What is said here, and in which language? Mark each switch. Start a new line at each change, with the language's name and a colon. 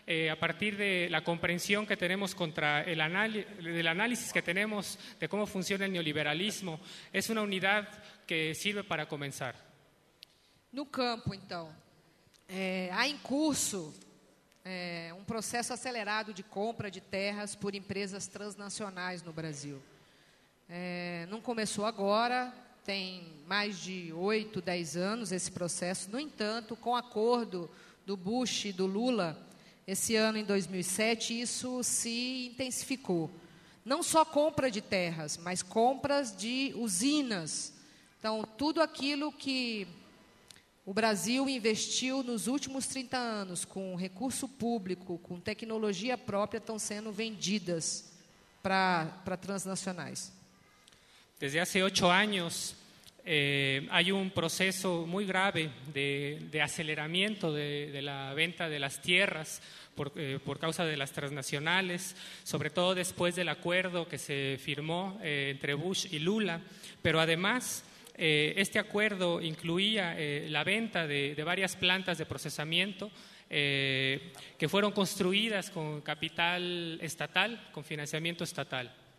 Spanish: a partir de la comprensión que tenemos contra el análisis que tenemos de cómo funciona el neoliberalismo, es una unidad que sirve para comenzar.
Portuguese: No campo, então, há em curso um processo acelerado de compra de terras por empresas transnacionais no Brasil. Não começou agora, tem mais de 8, 10 anos esse processo. No entanto, com o acordo do Bush e do Lula, esse ano, em 2007, isso se intensificou. Não só compra de terras, mas compras de usinas. Então, tudo aquilo que o Brasil investiu nos últimos 30 anos com recurso público, com tecnologia própria, estão sendo vendidas para transnacionais.
Spanish: Desde hace 8 años hay un proceso muy grave de aceleramiento de la venta de las tierras por causa de las transnacionales, sobre todo después del acuerdo que se firmó entre Bush y Lula, pero además este acuerdo incluía la venta de varias plantas de procesamiento que fueron construidas con capital estatal, con financiamiento estatal.